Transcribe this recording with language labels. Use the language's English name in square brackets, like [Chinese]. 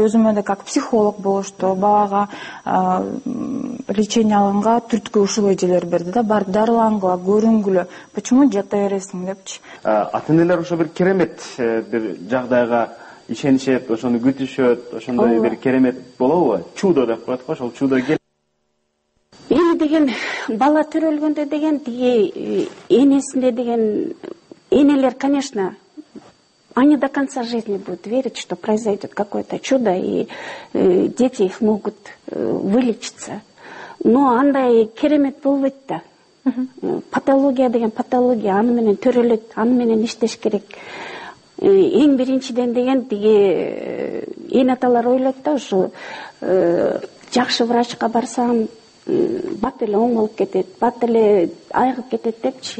[Kyrgyz] Өзүмө да [Russian] как психолог [Kyrgyz] болушту, балага лечение алганга түрткү ушул эжелер берди да. Барып дарылангыла, көрүнгүлө, почему жата бересиң депчи. Ата энелер ошо бир керемет бир жагдайга ишенишет, ошону күтүшөт, ошондой бир керемет болобу? Чудо деп коет го, ошол чудо кел. Эми деген бала төрөлгөндө деген тиги энесинде деген энелер, [Russian] конечно, они до конца жизни будут верить, что произойдет какое-то чудо, и дети их могут вылечиться. [Kyrgyz] Но андай керемет болбойт да. Патология деген патология, аны менен төрөлөт, аны менен иштеш керек. Эң биринчиден деген тиги эне аталар ойлойт да, ушу жакшы врачка барсам бат эле оңолуп кетет, бат эле айыгып кетет депчи.